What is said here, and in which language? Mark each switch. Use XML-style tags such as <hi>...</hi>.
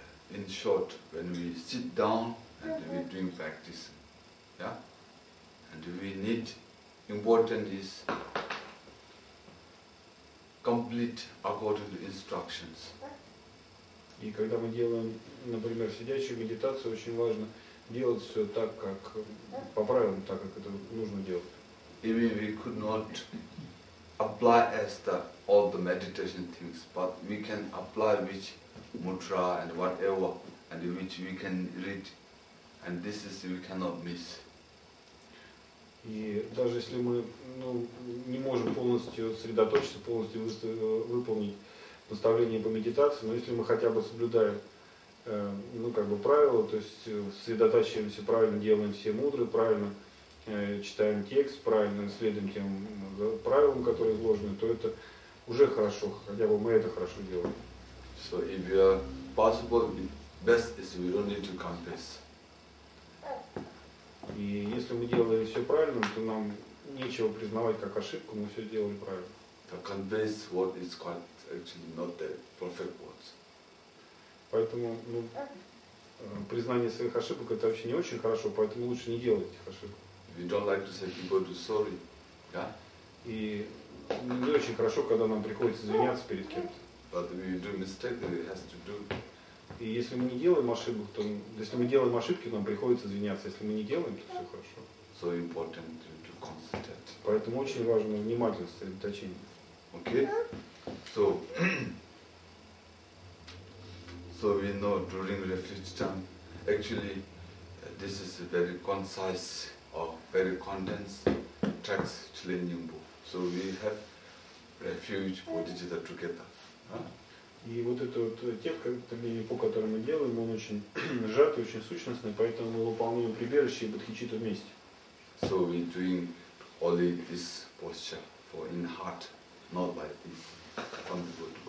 <en>In short, when we sit down and we doing practice, yeah, and we need important is complete according to instructions.</en> <ru>И когда мы делаем, например, сидячую медитацию, очень важно делать все так, как по правилам, так как это нужно делать.</ru> <en>Even we could not apply as the all the meditation things, but we can apply which mudra and whatever, and which we can read, and this is we cannot miss.</en> <ru>И даже если мы не можем полностью сосредоточиться, полностью выполнить наставление по медитации, но если мы хотя бы соблюдаем правила, то есть сосредотачиваемся, правильно делаем все мудры, правильно читаем текст, правильно следуем тем правилам, которые изложены, то это уже хорошо, хотя бы мы это хорошо делаем.</ru> <en>So if we are possible, best is we don't need to confess.</en> <ru>И если мы делаем все правильно, то нам нечего признавать как ошибку, мы все делали правильно.</ru> <en>To confess what is quite actually not the perfect words.</en> <ru>Поэтому признание своих ошибок — это вообще не очень хорошо, поэтому лучше не делать этих ошибок.</ru> <en>We don't like to say people to sorry, yeah?</en> <ru>И не очень хорошо, когда нам приходится извиняться перед кем-то.</ru> <en>But if we do mistake, then it has to do.</en> <ru>И если мы не делаем ошибок, то если мы делаем ошибки, нам приходится извиняться. Если мы не делаем, то все хорошо.</ru> <en>So important to concentrate.</en> <ru>Поэтому очень важно внимательность, сосредоточение.</ru> <en>Okay? So so we know during refit time, actually this is a very concise or very condensed text Chilen Nyingpo. So we have refuge Bodhicitta together.</en> <ru>И вот этот текст, который мы делаем, он очень сжатый, очень сущностный, поэтому мы выполняем прибежище и Бодхичитту вместе.</ru> <en>So we doing only this posture for in heart, not like this.</en>